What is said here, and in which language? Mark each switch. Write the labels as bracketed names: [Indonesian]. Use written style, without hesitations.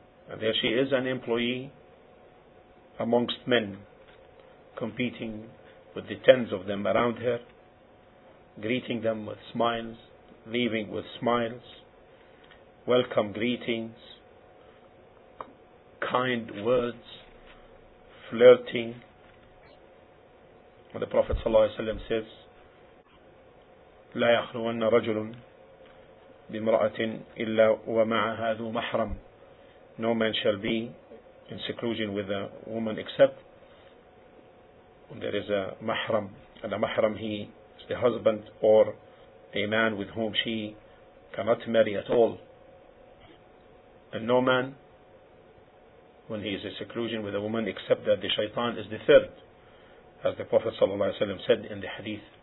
[English] And there she is, an employee amongst men, competing with the tens of them around her, greeting them with smiles, leaving with smiles, welcome greetings, kind words, flirting, When the Prophet [Arabic] صلى الله عليه وسلم [English] says, [Arabic] لا يخلون رجل بمرأة إلا ومعها ذو محرم. [English] No man shall be in seclusion with a woman except when there is a mahram. And a mahram, he is the husband or a man with whom she cannot marry at all. And no man, when he is in seclusion with a woman, except that the shaitan is the third, as the Prophet ﷺ said in the hadith.